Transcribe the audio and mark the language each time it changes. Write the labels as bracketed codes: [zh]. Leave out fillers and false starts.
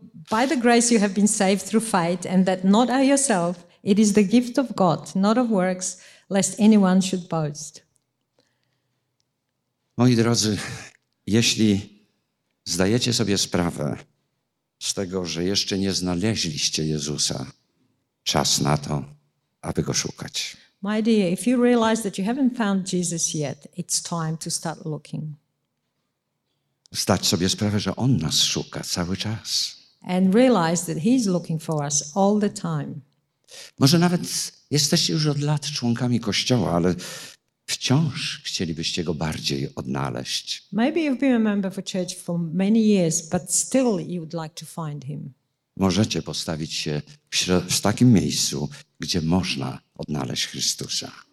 [en] By the grace you have been saved through faith, and that not of yourself, it is the gift of God, not of works, lest anyone should boast. [pl] Moi drodzy, jeśli zdajecie sobie sprawę z tego, że jeszcze nie znaleźliście Jezusa, czas na to, aby go szukać. [en] My dear, if you realize that you haven't found Jesus yet, it's time to start looking. [pl] Zdać sobie sprawę, że on nas szuka cały czas. [en] And realize that he's looking for us all the time. [pl] Może nawet jesteście już od lat członkami Kościoła, ale wciąż chcielibyście go bardziej odnaleźć. [en] Maybe you've been a member of a church for many years, but still you would like to find him. [pl] Możecie postawić się w takim miejscu, gdzie można odnaleźć Chrystusa.